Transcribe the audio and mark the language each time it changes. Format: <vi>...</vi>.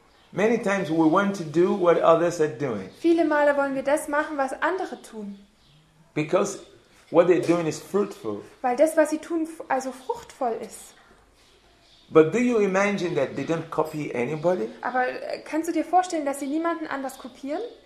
<en>Many times we want to do what others are doing.</en> <de>Viele Male wollen wir das machen, was andere tun.</de> <en>Because what they're doing is fruitful.</en> <de>Weil das, was sie tun, also fruchtvoll ist.</de> <en>But do you imagine that they don't copy anybody?</en> <de>Aber kannst du dir vorstellen, dass sie niemanden anders kopieren?</de>